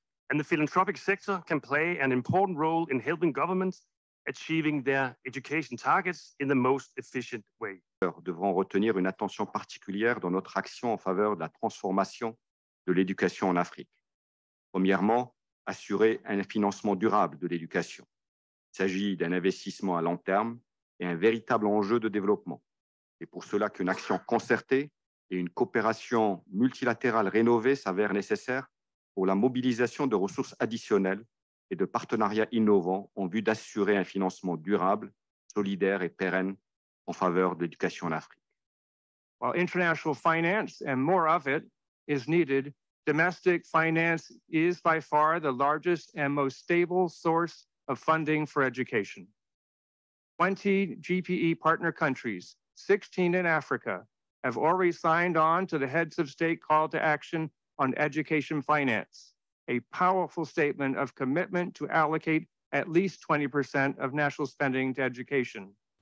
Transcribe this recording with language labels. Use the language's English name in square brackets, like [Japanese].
[English] And the philanthropic sector can play an important role in helping governments achieving their education targets in the most efficient way. [French] Nous devrons retenir une attention particulière dans notre action en faveur de la transformation de l'éducation en Afrique. Premièrement, assurer un financement durable de l'éducation. Il s'agit d'un investissement à long terme et un véritable enjeu de développement. C'est pour cela qu'une action concertée et une coopération multilatérale rénovée s'avèrent nécessaires pour la mobilisation de ressources additionnelles et de partenariats innovants en vue d'assurer un financement durable, solidaire et pérenne en faveur de l'éducation en Afrique. [English] While international finance and more of it is needed, domestic finance is by far the largest and most stable source of funding for education. 20 GPE partner countries, 16 in Africa, have already signed on to the Heads of State Call to Action on education finance, a powerful statement of commitment to allocate at least 20% of national spending to education.